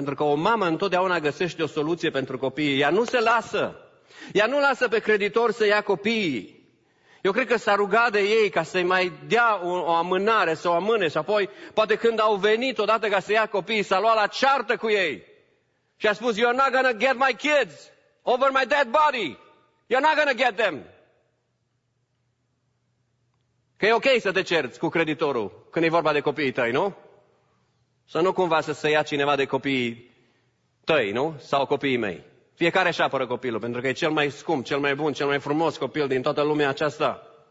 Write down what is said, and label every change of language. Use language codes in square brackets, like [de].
[ro] Pentru că o mamă întotdeauna găsește o soluție pentru copiii. Ea nu se lasă. Ea nu lasă pe creditor să ia copiii. Eu cred că s-a rugat de ei ca să-i mai dea o amânare, să o amâne și apoi, poate când au venit odată ca să ia copiii, s-a luat la ceartă cu ei. Și a spus, [en] you're not gonna get my kids over my dead body. You're not gonna get them. [ro] Că e ok să te cerți cu creditorul când e vorba de copiii tăi, nu? Să nu cumva să se ia cineva de copiii tăi, nu? Sau copiii mei. Fiecare își apără copilul, pentru că e cel mai scump, cel mai bun, cel mai frumos copil din toată lumea aceasta.